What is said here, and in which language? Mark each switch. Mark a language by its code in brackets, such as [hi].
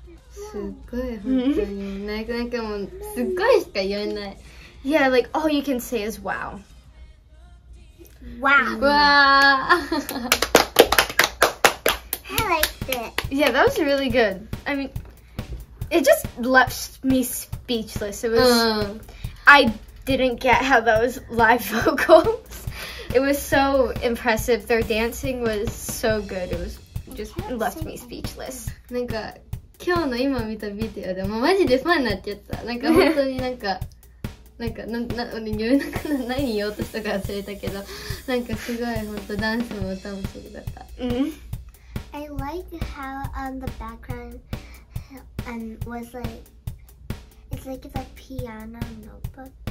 [ja] すごい、本当に。なんかもう、すごいしか言えない。 [en] Yeah, like, all you can say is wow. Wow. Wow. I liked it. Yeah, that was really good. I mean, it just left me speechless. It was, I didn't get how that was live vocal. It was so impressive. Their dancing was so good. It was just left me speechless. [ja] なんか今日の今見たビデオでもマジでファンになっちゃった。なんか本当になんかなんかなな言えなくな何言おうとしたか忘れたけど、なんかすごい本当ダンスも歌もすごかった。 [en] I like how on the background and was like it's like the piano notebook.